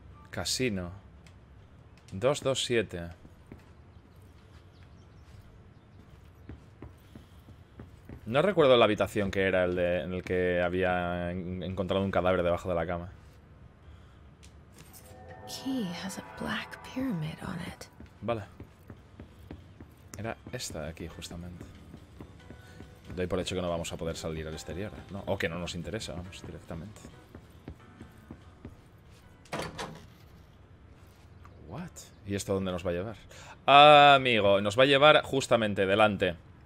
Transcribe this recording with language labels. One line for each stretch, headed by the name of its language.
Spanish: Casino. 227. No recuerdo la habitación que era en el que había encontrado un cadáver debajo de la cama.
English: key has a black pyramid on it.
Spanish: Vale. Era esta de aquí, justamente. Doy por hecho que no vamos a poder salir al exterior, ¿no? O que no nos interesa, vamos, directamente.
English: What?
Spanish: ¿Y esto dónde nos va a llevar? Amigo, nos va a llevar justamente delante.